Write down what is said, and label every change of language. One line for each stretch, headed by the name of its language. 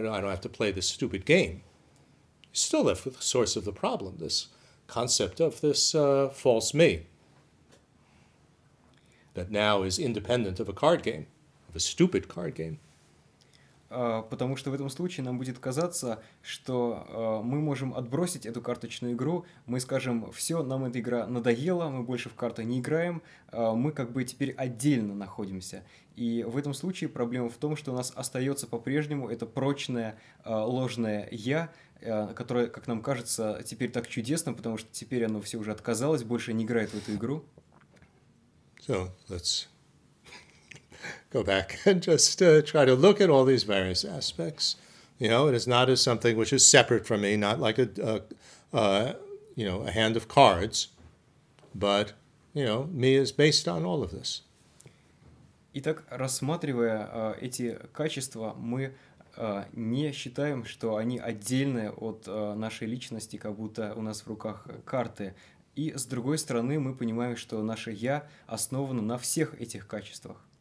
English: I don't have to play this stupid game. You're still left with the source of the problem, this concept of this false me that now is independent of a card game. A stupid card game.
Russian: Потому что в этом случае нам будет казаться, что мы можем отбросить эту карточную игру, мы скажем, все, нам эта игра надоела, мы больше в карты не играем, мы как бы теперь отдельно находимся. И в этом случае проблема в том, что у нас остается по-прежнему это прочное ложное «я», которое, как нам кажется, теперь так чудесно, потому что теперь оно все уже отказалось, больше не играет в эту игру.
English: So, let's go back and just try to look at all these various aspects. You know, it is not as something which is separate from me, not like a hand of cards, but, you know, me is based on all of this.
Russian: Итак, рассматривая эти качества, мы не считаем, что они отдельны от нашей личности, как будто у нас в руках карты. И с другой стороны, мы понимаем, что наше «я» основано на всех этих качествах.